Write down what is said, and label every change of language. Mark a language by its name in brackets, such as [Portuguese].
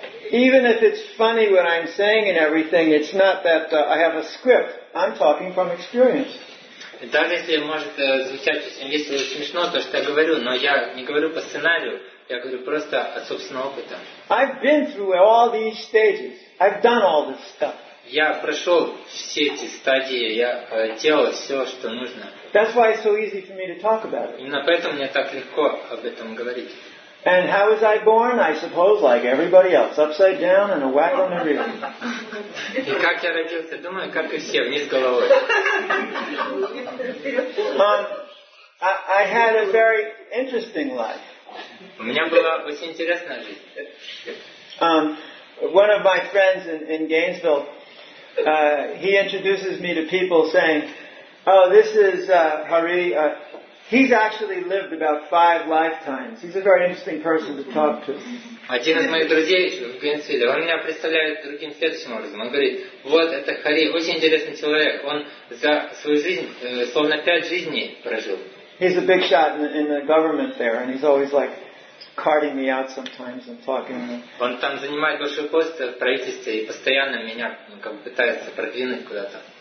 [English] Even if it's funny what I'm saying and everything, it's not that I have a script. I'm talking from experience. [Russian] Даже если может звучать очень весело и смешно то, что я говорю, но я не говорю по сценарию, я говорю просто от собственного опыта. [English] I've been through all these stages. I've done all this stuff. [Russian] Я прошел все эти стадии, я делал все, что нужно. [English] That's why it's so easy for me to talk about it. [Russian] Именно поэтому мне так легко об этом говорить. [English] And how was I born? I suppose like everybody else, upside down and a whack on the rear. [Russian] И как я родился? Думаю, как и все, вниз головой. [English] I had a very interesting life. [Russian] У меня была очень интересная жизнь. [English] One of my friends in Gainesville, he introduces me to people saying, oh, this is Hari. He's actually lived about 5 lifetimes. He's a very interesting person to talk to. [Russian] Один из моих друзей в Гейнсвилле, он меня представляет другим следующим образом. Он говорит, вот это Хари, очень интересный человек. Он за свою жизнь, словно 5 жизней прожил. [English] He's a big shot in the government there, and he's always like carting me out sometimes and talking to me. [Russian] Он там занимает большой пост в правительстве и постоянно меня как бы пытается продвинуть куда-то.